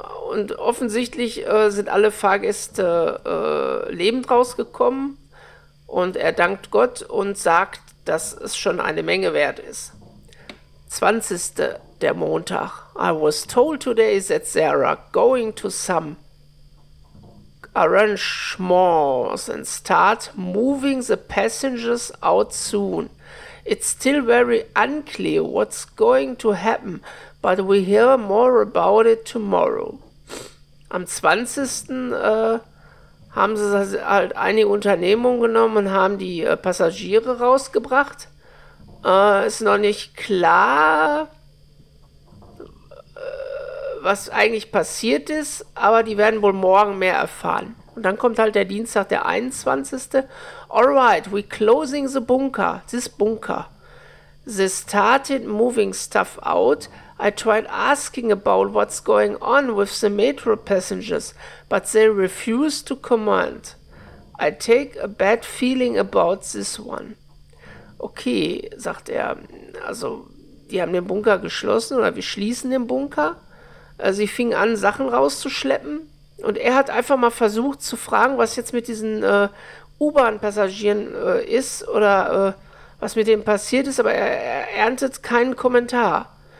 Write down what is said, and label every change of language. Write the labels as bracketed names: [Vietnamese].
[German] Und offensichtlich sind alle Fahrgäste lebend rausgekommen. Und er dankt Gott und sagt, dass es schon eine Menge wert ist. 20. der Montag. [English] I was told today that there are going to some arrangements and start moving the passengers out soon. It's still very unclear what's going to happen, but we hear more about it tomorrow. [German] Am 20. Haben sie halt einige Unternehmungen genommen und haben die Passagiere rausgebracht. Ist noch nicht klar, was eigentlich passiert ist, aber die werden wohl morgen mehr erfahren. Und dann kommt halt der Dienstag, der 21. [English] Alright, we closing the bunker. This bunker. They started moving stuff out. I tried asking about what's going on with the metro passengers, but they refused to comment. I take a bad feeling about this one. [German] Okay, sagt er, also die haben den Bunker geschlossen oder wir schließen den Bunker. Sie fingen an, Sachen rauszuschleppen und er hat einfach mal versucht zu fragen, was jetzt mit diesen U-Bahn-Passagieren ist oder was mit denen passiert ist, aber er erntet keinen Kommentar.